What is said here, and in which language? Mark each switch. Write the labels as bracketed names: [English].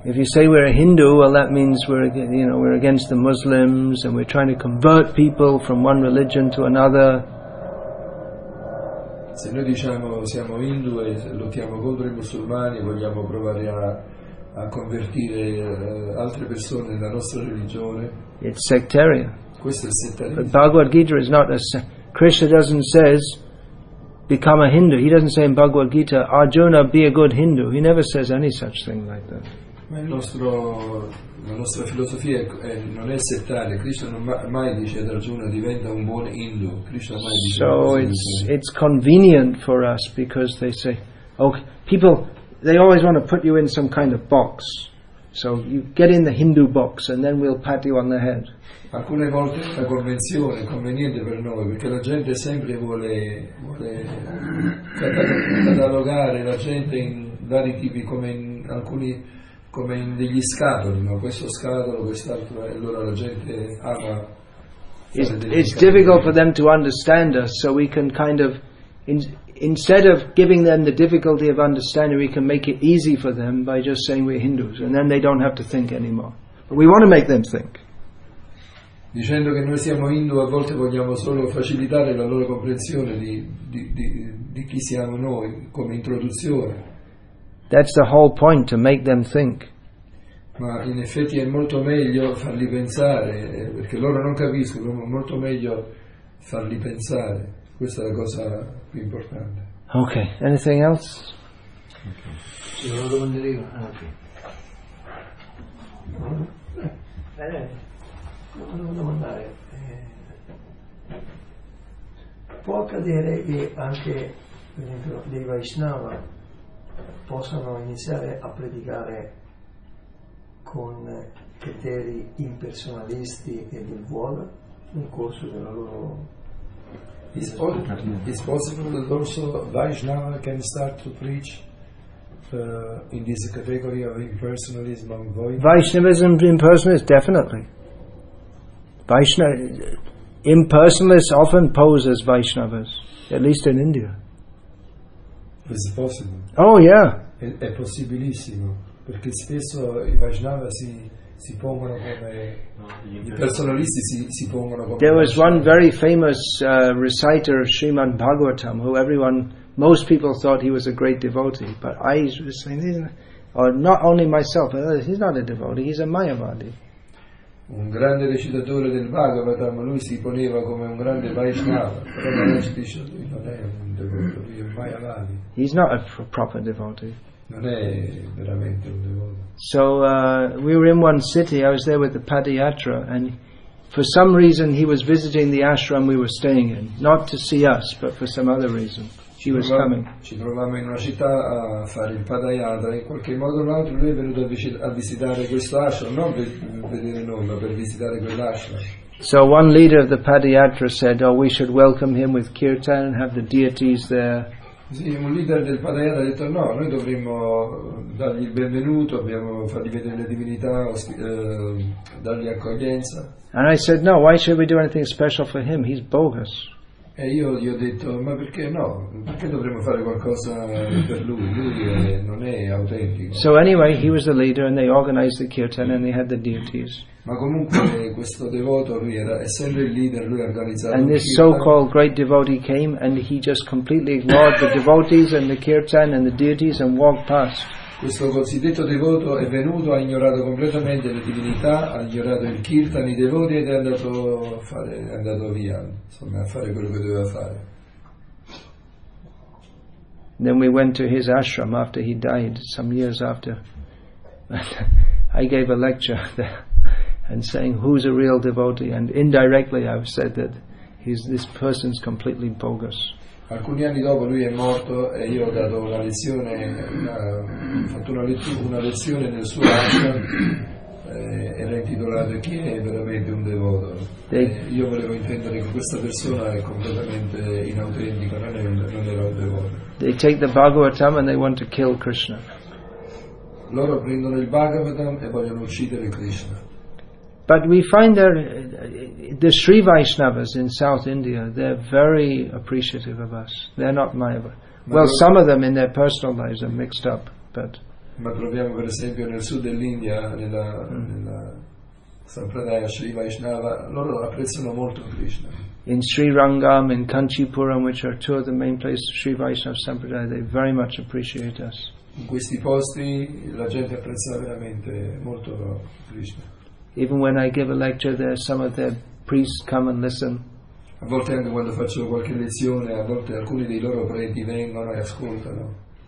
[English] If you say we're a Hindu, well, that means we're against the Muslims and we're trying to convert people from one religion to another. [Italian] Se noi diciamo siamo Hindu e lottiamo contro I musulmani, vogliamo provare a convertire altre persone nella nostra religione. [English] It's sectarian. [Italian] Questo è settarismo. [English] But Bhagavad Gita is not a Krishna doesn't says. Become a Hindu. He doesn't say in Bhagavad Gita, Arjuna, be a good Hindu. He never says any such thing like that. [Italian] Ma la nostra filosofia non è settaria. Krishna non mai dice ad Arjuna diventa un buon Hindu. Krishna mai dice. [English] So it's convenient for us because they say, okay, people, they always want to put you in some kind of box. So you get in the Hindu box and then we'll pat you on the head. [Italian] Alcune volte è una convenzione, è conveniente per noi, perché la gente sempre vuole catalogare la gente in vari tipi, come in degli scatoli, no? Questo scatolo, quest'altro, e allora la gente ama. [English] It's difficult for them to understand us, so we can kind of instead of giving them the difficulty of understanding, we can make it easy for them by just saying we're Hindus, and then they don't have to think anymore. But we want to make them think. [Italian] Dicendo che noi siamo Hindu, a volte vogliamo solo facilitare la loro comprensione di chi siamo noi, come introduzione. [English] That's the whole point, to make them think. [Italian] Ma in effetti è molto meglio farli pensare, perché loro non capiscono, ma molto meglio farli pensare. Questa è la cosa più importante. [English] Ok, anything else? [Italian] Okay. Una domanda io. Ah, ok. Volevo domandare, può accadere che anche, per esempio, dei Vaishnava possano iniziare a predicare con criteri impersonalisti e del vuolo nel corso della loro... [English] It's possible that also Vaishnava can start to preach in this category of impersonalism and void? Vaishnavism impersonalist, definitely. Impersonalists often pose as Vaishnavas, at least in India. Is it possible? Oh yeah. [Italian] È possibilissimo, perché spesso i Vaishnava si pongono come i personalisti si pongono come. [English] There was one very famous reciter of Srimad Bhagavatam who most people thought he was a great devotee, but I was saying, not only myself, but others, he's not a devotee, he's a Mayavadi. [Italian] Un grande recitatore del Bhagavatam, lui si poneva come un grande Vaishnava, però non è un devotee, è un Mayavadi. [English] He's not a proper devotee. [Italian] Non è veramente un devoto. [English] So we were in one city, I was there with the Padayatra, and for some reason he was visiting the ashram we were staying in, not to see us, but for some other reason. She was coming. [Italian] Ci trovavamo in una città a fare il padayatra, in qualche modo o altro lui è venuto a visitare questo ashram, non per vedere noi, ma per visitare quell'ashram. [English] So one leader of the padayatra said, "Oh, we should welcome him with kirtan and have the deities there." [Italian] Sì, un leader del padayatra ha detto, "No, noi dovremmo dargli il benvenuto, dobbiamo fargli vedere le divinità, dargli accoglienza." [English] And I said, "No, why should we do anything special for him? He's bogus." [Italian] E io gli ho detto, ma perché no? Perché dovremmo fare qualcosa per lui? Lui non è autentico. [English] So anyway, he was the leader and they organized the kirtan and they had the deities. [Italian] Ma comunque questo devoto, lui era, essendo il leader, lui ha organizzato. [English] And this so-called great devotee came and he just completely ignored the devotees and the kirtan and the deities and walked past. [Italian] Questo cosiddetto devoto è venuto, ha ignorato completamente le divinità, ha ignorato il kirtan, i devoti ed è andato via, insomma, a fare quello che doveva fare. [English] Then we went to his ashram after he died, some years after. I gave a lecture there and saying who's a real devotee, and indirectly I've said that this person's completely bogus. [Italian] Alcuni anni dopo lui è morto e io ho dato una lezione, ho fatto una lezione nel suo ashram, era intitolato "Chi è veramente un devoto?" Io volevo intendere che questa persona è completamente inautentica, non era un devoto. [English] They take the Bhagavatam and they want to kill Krishna. [Italian] Loro prendono il Bhagavatam e vogliono uccidere Krishna. [English] But we find that the Sri Vaishnavas in South India, they're very appreciative of us. They're not Mayavadi. Well, some of them in their personal lives are mixed up, but... [Italian] Ma troviamo, per esempio, nel sud dell'India, nella Sampradaya Sri Vaishnava, loro apprezzano molto Krishna. [English] In Sri Rangam, in Kanchipuram, which are two of the main places of Sri Vaishnava Sampradaya, they very much appreciate us. [Italian] In questi posti, la gente apprezza veramente molto Krishna. [English] Even when I give a lecture there, some of their priests come and listen. [Italian] A volte anche quando faccio qualche lezione, a volte alcuni dei loro preti vengono e ascoltano.